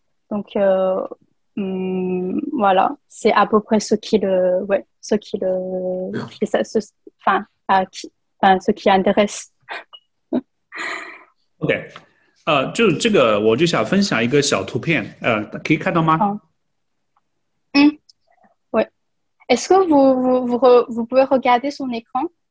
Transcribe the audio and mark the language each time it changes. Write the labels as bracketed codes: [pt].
[fr] Donc voilà, c'est à peu près ce qui intéresse. [zh] OK, 就这个我就想分享一个小图片，可以看到吗？ [fr] Est-ce que vous pouvez regarder son écran?